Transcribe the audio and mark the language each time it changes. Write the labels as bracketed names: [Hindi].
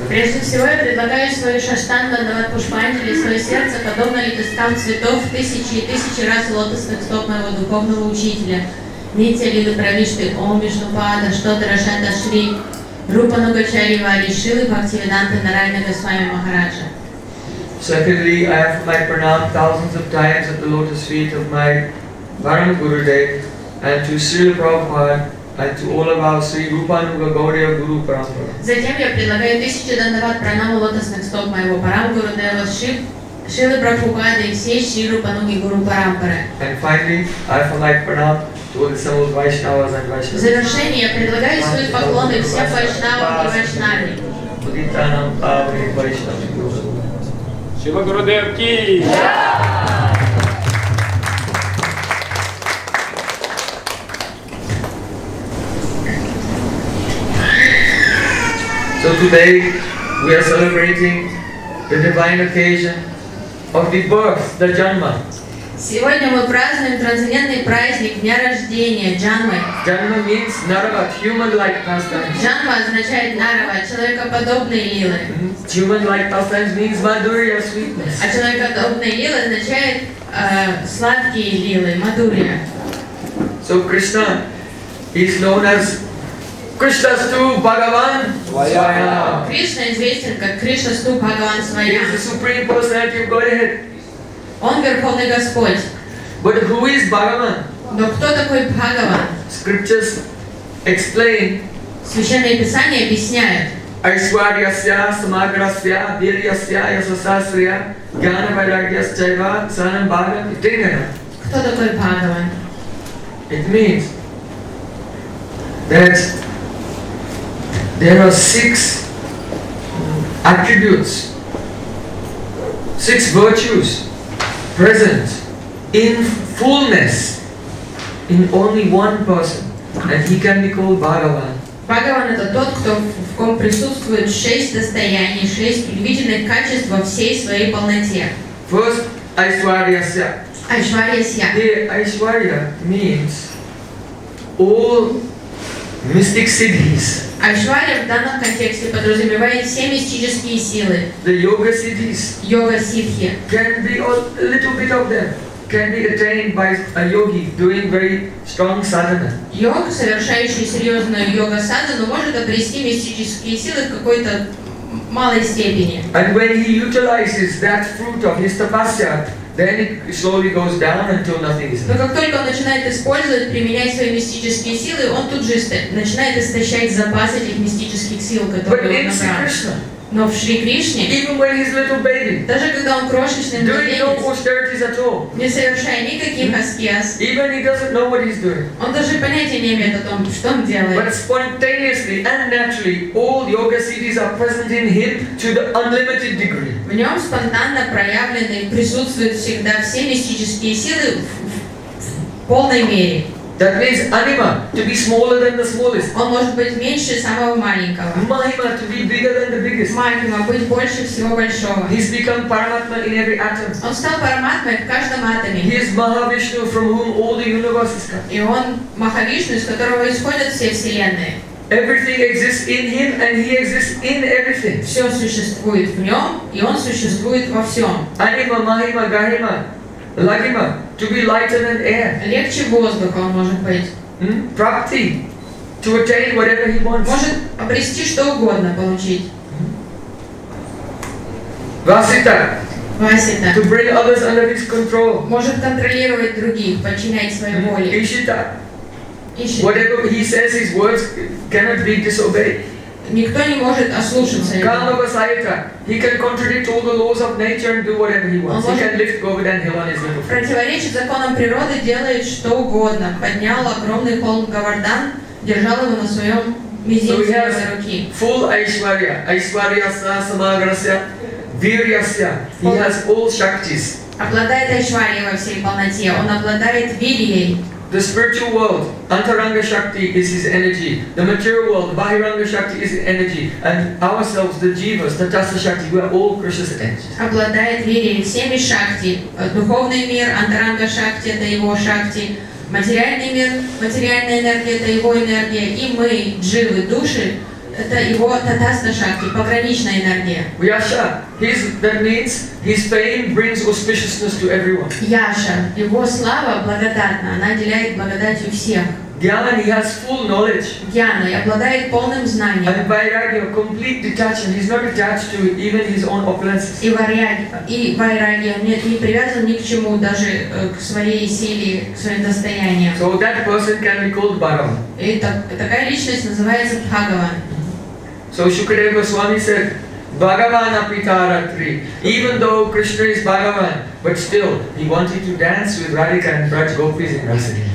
[Russian] Прежде всего я предлагаю свою шаштанду отдавать Пушпанджали, свое сердце, подобно лепесткам цветов, тысячи и тысячи раз лотосных стоп моего духовного учителя. Нитья Лилы Правишты, Ом Вишнупада, Штодарашанда Шри, Рупа Нугачари Вари, Шилы Бхактивиданты Нарайна Госвами Махараджа. [English] Secondly, I have my pranam thousands of times at the lotus feet of my Varan Gurudev and to Srila Prabhupada, and to all of our Sri Rupanuga Gaudiya Guru Parampara. [Russian] Затем я предлагаю тысячи дандават пранаму лотосных стоп моего Парамгуру Дева Шилы Прабхупады и всей Шри Рупануги Гуру Парампары. [English] And finally, I offer my pranam to all the Samus Vaishnavas and Vaishnavas. [Russian] В завершении я предлагаю свои поклоны всем Вайшнавам и Вайшнаве. Пудитанам Павли и Вайшнаве Гуру. Шива Гуру Дев Ки! [English] So today we are celebrating the divine occasion of the birth, the Janma. [Russian] Сегодня мы празднуем трансцендентный праздник дня рождения Джанмы. [English] Janma means Narava, human-like pastimes. [Russian] Janma означает Narava, человекоподобные лилы. [English] Mm-hmm. Human-like pastimes means Madhurya, sweetness. [Russian] А человекоподобные лилы означает сладкие лилы, Madhurya. [English] So Krishna is known as [Sanskrit] Кришнасту Бхагаван Свая. [Russian] Кришна известен как Кришнасту Бхагаван Свая. [English] He is the Supreme Personality of Godhead. [Russian] Он Верховный Господь. [English] But who is Bhagavan? [Russian] Но кто такой Бхагаван? [English] Scriptures explain. [Russian] Священное Писание объясняет. [Sanskrit] Айшварьясья, Самаграсья, Вирьясья, Ясасасрия, Гьяна Вайрагьясчайва, Санам Бхагаван и Тринера. [Russian] Кто такой Бхагаван? [English] It means that there are six attributes, six virtues present in fullness in only one person, and he can be called Bhagavan. [Russian] Bhagavan это тот, кто в ком присутствует шесть состояний, шесть предвиденных качеств во всей своей полноте. [English] First, Айшварьясья. [Sanskrit] Айшварьясья. [English] Here, Айшварья means all mystic cities. [Russian] Айшварья в данном контексте подразумевает все мистические силы. [English] The yoga cities. [Russian] Йога сиддхи. [English] Can be a little bit of them. Can be attained by a yogi doing very strong sadhana. [Russian] Йог, совершающий серьезную йога садхану, может обрести мистические силы в какой-то малой степени. [English] And when he utilizes that fruit of his tapasya, then it slowly goes down until nothing is left. [Russian] Но как только он начинает использовать, применять свои мистические силы, он тут же начинает истощать запас этих мистических сил, которые он набрал. Но в Шри Кришне, [English] even when he's little baby, [Russian] даже когда он крошечный, не совершая никаких аскез, [English] even he doesn't know what he's doing, [Russian] он даже понятия не имеет о том, что он делает. [English] But spontaneously and naturally, all yoga siddhis are present in him to the unlimited degree. [Russian] В нем спонтанно проявлены и присутствуют всегда все мистические силы в полной мере. [English] That means anima, to be smaller than the smallest. [Russian] Он может быть меньше самого маленького. [English] Mahima, to be bigger than the biggest. [Russian] Mahima, быть больше всего большого. [English] He's become Paramatma in every atom. [Russian] Он стал Параматмой в каждом атоме. [English] He is Mahavishnu, from whom all the universes come. [Russian] И он Махавишну, из которого исходят все вселенные. [English] Everything exists in him, and he exists in everything. [Russian] Все существует в нем, и он существует во всем. [English] Anima, Mahima, Gahima, Lagima. To be lighter than air. [Russian] Легче воздуха он может быть. [English] Prapti. To attain whatever he wants. [Russian] Может обрести что угодно получить. [Sanskrit] Vasita. Vasita. [English] To bring others under his control. [Russian] Может контролировать других, подчинять своей воле. [Sanskrit] Ishita. Ishita. [English] Whatever he says, his words cannot be disobeyed. [Russian] Никто не может ослушаться его. [Sanskrit] Kalava Sayata. [English] He can contradict all the laws of nature and do whatever he wants. He can lift Govardhan Hill on his little foot. [Russian] Противоречит законам природы, делает что угодно. Поднял огромный холм Говардан, держал его на своем мизинце в своей руке. [English] Full Aishwarya. [Sanskrit] Aishwaryasya, Samagrasya, Viryasya. [English] He has all Shaktis. [Russian] Обладает Aishwarya во всей полноте. Он обладает Вирией. [English] The spiritual world, Antaranga Shakti, is his energy. The material world, Bahiranga Shakti, is his energy. And ourselves, the Jivas, the Tatasa Shakti, we are all Krishna's energy. [Russian] Обладает вирией всеми Шакти. Духовный мир, Антаранга Шакти, это его Шакти. Материальный мир, материальная энергия, это его энергия. И мы, Дживы, души, это его Татасна Шакти, пограничная энергия. [English] Vyasa, that means his fame brings auspiciousness to everyone. [Russian] Яша, его слава благодатна, она отделяет благодатью всех. [English] Гьяна, he has full knowledge. [Russian] Гьяна, и обладает полным знанием. [English] And Vairagya, complete detachment, he's not attached to even his own opulences. [Russian] И Vairagya, нет, не привязан ни к чему, даже к своей силе, к своим достояниям. [English] So that person can be called Bhagavan. [Russian] И такая личность называется Бхагаван. [English] So Shukadeva Goswami said, [Sanskrit] Bhagavan Apitaratri. [English] Even though Krishna is Bhagavan, but still he wanted to dance with Radhika and Braj Gopis in Rasa Lili.